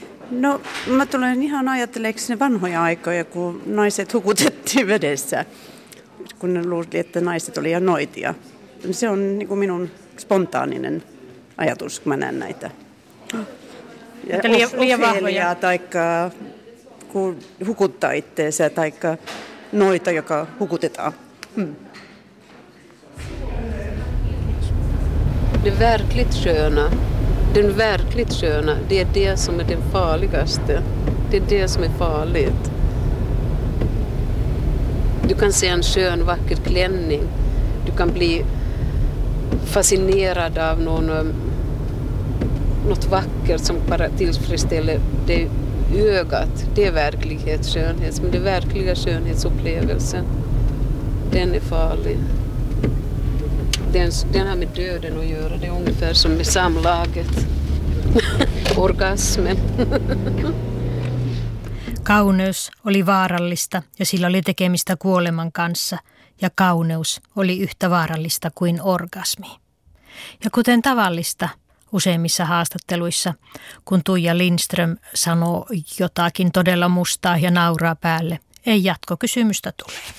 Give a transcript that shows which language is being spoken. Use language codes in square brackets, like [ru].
[fi] No, mä tulen ihan ajatteleeksi ne vanhoja aikoja, kun naiset hukutettiin vedessä, kun ne luulivat, että naiset olivat noitia. Se on niin kuin minun spontaaninen ajatus, kun mä näen näitä. Liian vahvoja. Taikka kun hukuttaa itteensä, taikka noita, joka hukutetaan. [sv] Det verkligt sköna, den verkligt sköna, det är det som är det farligaste. Det är det som är farligt. Du kan se en skön, vacker klänning. Du kan bli fascinerad av någon, något vackert som bara tillfredsställer det ögat. Det är verklighet, skönhet. Men det verkliga skönhetsupplevelsen, den är farlig. Den har med döden att göra. Det är ungefär som med samlaget. Orgasmen. [fi] Kauneus oli vaarallista ja sillä oli tekemistä kuoleman kanssa. Ja kauneus oli yhtä vaarallista kuin orgasmi. Ja kuten tavallista, useimmissa haastatteluissa, kun Tuija Lindström sanoo jotakin todella mustaa ja nauraa päälle, ei jatkokysymystä tule.